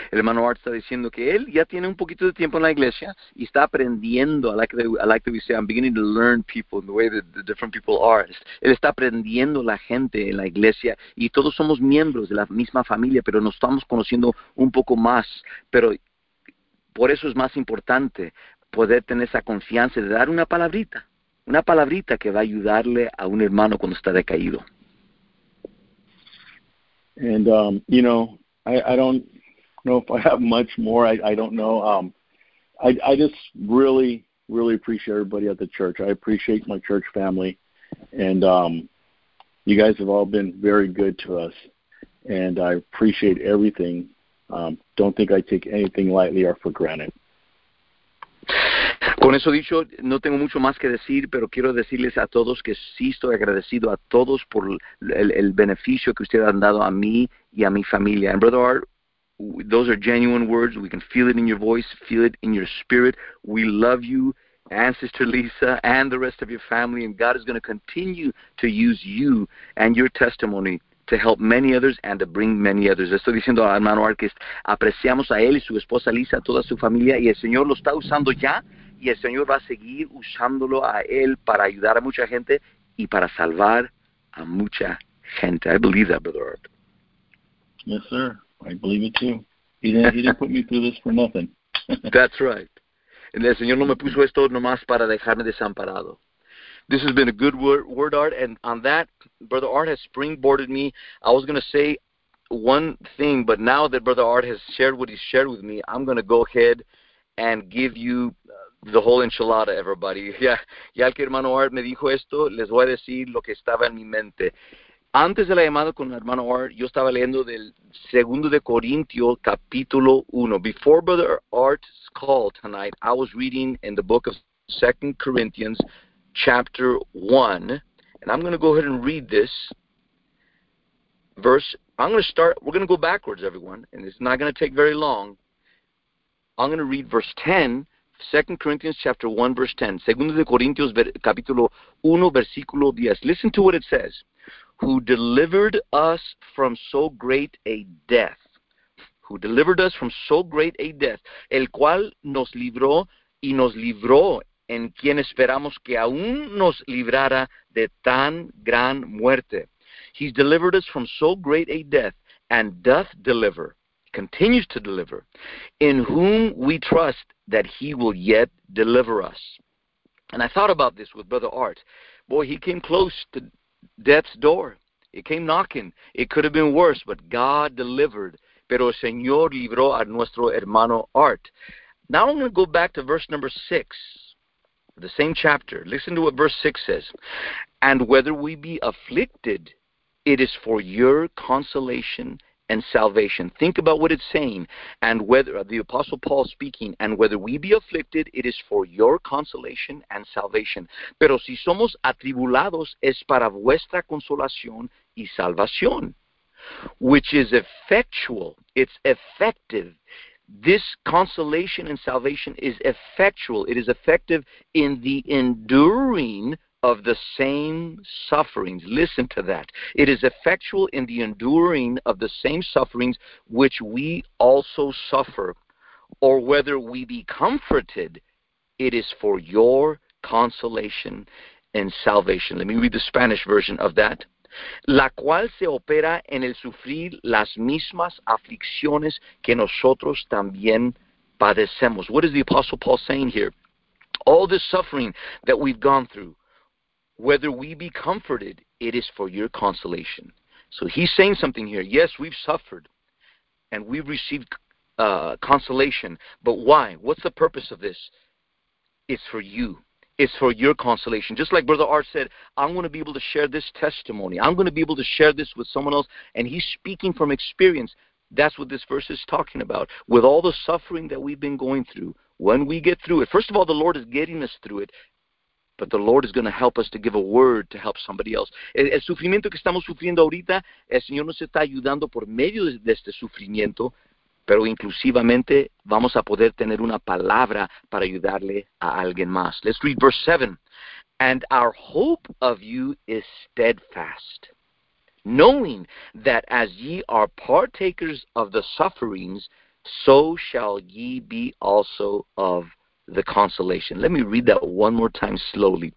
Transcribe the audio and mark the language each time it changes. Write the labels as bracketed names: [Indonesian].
[Spanish] El hermano Art está diciendo que él ya tiene un poquito de tiempo en la iglesia y está aprendiendo. [English] I like that we say, I'm beginning to learn people the way that the different people are. [Spanish] Él está aprendiendo la gente en la iglesia y todos somos miembros de la misma familia, pero nos estamos conociendo un poco más. Pero por eso es más importante poder tener esa confianza de dar una palabrita que va a ayudarle a un hermano cuando está decaído. [English] And I don't know if I have much more. I don't know. I just really, really appreciate everybody at the church. I appreciate my church family, and you guys have all been very good to us, and I appreciate everything. Don't think I take anything lightly or for granted. [Spanish] Con eso dicho, no tengo mucho más que decir, pero quiero decirles a todos que sí estoy agradecido a todos por el beneficio que ustedes han dado a mí y a mi familia. [English] And Brother Art, those are genuine words. We can feel it in your voice, feel it in your spirit. We love you and Sister Lisa and the rest of your family, and God is going to continue to use you and your testimony to help many others and to bring many others. [Spanish] Estoy diciendo a hermano Art que apreciamos a él y su esposa Lisa, a toda su familia, y el Señor lo está usando ya. Y el Señor va a seguir usándolo a él para ayudar a mucha gente y para salvar a mucha gente. [English] I believe that, Brother Art. Yes, sir. I believe it too. He didn't put me through this for nothing. That's right. [Spanish] El Señor no me puso esto nomás para dejarme desamparado. [English] This has been a good word, Art. And on that, Brother Art has springboarded me. I was going to say one thing, but now that Brother Art has shared what he shared with me, I'm going to go ahead and give you the whole enchilada, everybody. [Spanish] Ya que hermano Art me dijo esto, les voy a decir lo que estaba en mi mente. Antes de la llamada con el hermano Art, yo estaba leyendo del segundo de Corintio, capítulo 1. [English] Before Brother Art's call tonight, I was reading in the book of 2 Corinthians, chapter 1. And I'm going to go ahead and read this verse. We're going to go backwards, everyone. And it's not going to take very long. I'm going to read verse 10. 2 Corinthians chapter 1 verse 10. [Spanish] Segundo de Corintios capítulo 1 versículo 10. [English] Listen to what it says. Who delivered us from so great a death. Who delivered us from so great a death. [Spanish] El cual nos libró y nos libró en quien esperamos que aún nos librara de tan gran muerte. [English] He's delivered us from so great a death and doth deliver. Continues to deliver, in whom we trust that he will yet deliver us. And I thought about this with Brother Art. Boy, he came close to death's door. It came knocking. It could have been worse, but God delivered. [Spanish] Pero el Señor libró a nuestro hermano Art. [English] Now I'm going to go back to verse number 6, the same chapter. Listen to what verse 6 says. And whether we be afflicted, it is for your consolation and salvation. Think about what it's saying. And whether the Apostle Paul speaking, and whether we be afflicted, it is for your consolation and salvation. [Spanish] Pero si somos atribulados, es para vuestra consolación y salvación, [English] which is effectual. It's effective. This consolation and salvation is effectual. It is effective in the enduring of the same sufferings. Listen to that. It is effectual in the enduring of the same sufferings which we also suffer. Or whether we be comforted, it is for your consolation and salvation. Let me read the Spanish version of that. [Spanish] La cual se opera en el sufrir las mismas aflicciones que nosotros también padecemos. [English] What is the Apostle Paul saying here? All this suffering that we've gone through, whether we be comforted, it is for your consolation. So he's saying something here. Yes, we've suffered and we've received consolation. But why? What's the purpose of this? It's for you. It's for your consolation. Just like Brother R said, I'm going to be able to share this testimony. I'm going to be able to share this with someone else. And he's speaking from experience. That's what this verse is talking about. With all the suffering that we've been going through, when we get through it, first of all, the Lord is getting us through it. But the Lord is going to help us to give a word to help somebody else. [Spanish] El sufrimiento que estamos sufriendo ahorita, el Señor nos está ayudando por medio de este sufrimiento. Pero inclusivamente vamos a poder tener una palabra para ayudarle a alguien más. [English] Let's read verse 7. And our hope of you is steadfast, knowing that as ye are partakers of the sufferings, so shall ye be also of the consolation. Let me read that one more time slowly.